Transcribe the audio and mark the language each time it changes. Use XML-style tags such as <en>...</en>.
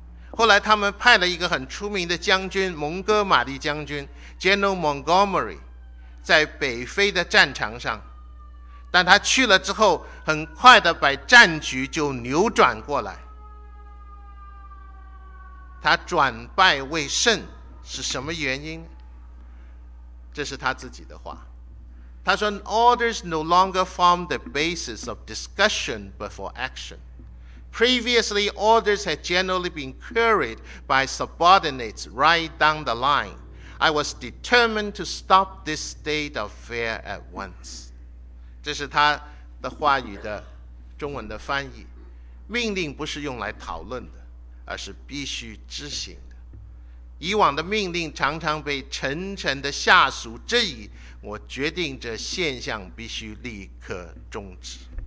<zh>后来他们派了一个很出名的将军，蒙哥马利将军 General Montgomery， 在北非的战场上，但他去了之后很快的把战局就扭转过来。他转败为胜是什么原因？这是他自己的话，他说</zh> <en>Orders no longer form the basis of discussion but for action. Previously, orders had generally been carried by subordinates right down the line. I was determined to stop this state of affairs at once.</en> <zh>这是他的话语的中文的翻译，命令不是用来讨论的，而是必须执行的。以往的命令常常被沉沉的下属质疑，我决定这现象必须立刻终止。</zh>